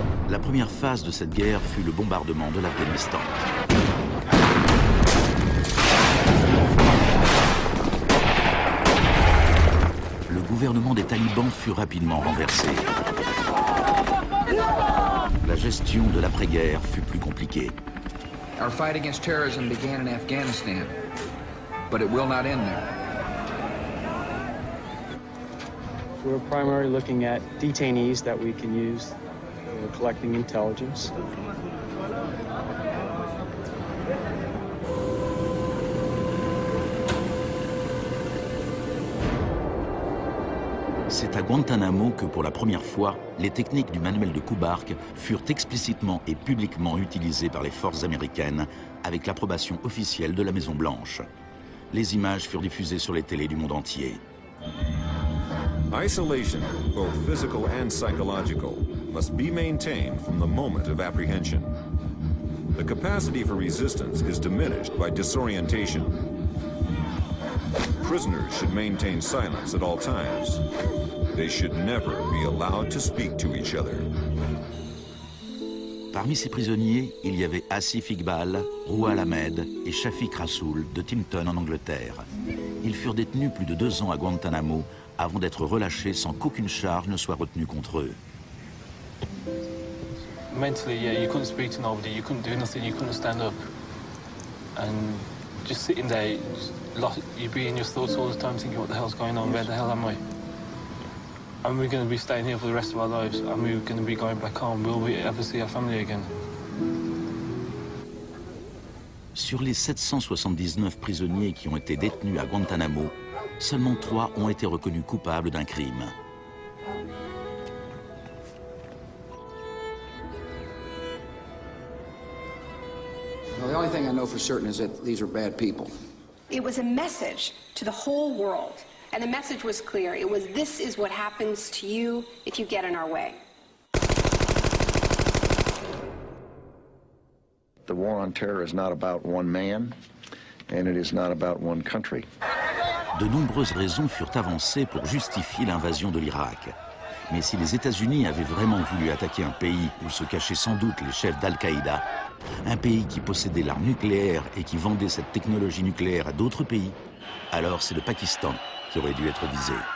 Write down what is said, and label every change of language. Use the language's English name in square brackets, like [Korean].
[French] La première phase de cette guerre fut le bombardement de l'Afghanistan. Le gouvernement des talibans fut rapidement renversé. La gestion de l'après-guerre fut plus compliquée. [English] Our fight against terrorism began in Afghanistan, but it will not end there. We're primarily looking at detainees that we can use. We're collecting intelligence. [French] C'est à Guantanamo que, pour la première fois, les techniques du manuel de Kubark furent explicitement et publiquement utilisées par les forces américaines avec l'approbation officielle de la Maison Blanche. Les images furent diffusées sur les télés du monde entier. [English] Isolation, both physical and psychological, must be maintained from the moment of apprehension. The capacity for resistance is diminished by disorientation. Prisoners should maintain silence at all times. They should never be allowed to speak to each other. [French] Parmi ces prisonniers, il y avait Asif Iqbal, Rouhal Ahmed et Shafiq Rasoul de Timpton en Angleterre. Ils furent détenus plus de 2 ans à Guantanamo avant d'être relâchés sans qu'aucune charge ne soit retenue contre eux. [English] Mentally, yeah, you couldn't speak to nobody, you couldn't do nothing, you couldn't stand up. And just sitting there, you'd be in your thoughts all the time thinking what the hell's going on, where the hell am I? Are we going to be staying here for the rest of our lives? Are we going to be going back home? Will we ever see our family again? [French] Sur les 779 prisonniers qui ont été détenus à Guantanamo, seulement 3 ont été reconnus coupables d'un crime. [English] Well, the only thing I know for certain is that these are bad people. It was a message to the whole world. And the message was clear. It was, this is what happens to you if you get in our way. The war on terror is not about one man, and it is not about one country. [French] De nombreuses raisons furent avancées pour justifier l'invasion de l'Irak. Mais si les États-Unis avaient vraiment voulu attaquer un pays où se cachaient sans doute les chefs d'Al-Qaïda, un pays qui possédait l'arme nucléaire et qui vendait cette technologie nucléaire à d'autres pays, alors c'est le Pakistan qui aurait dû être visé.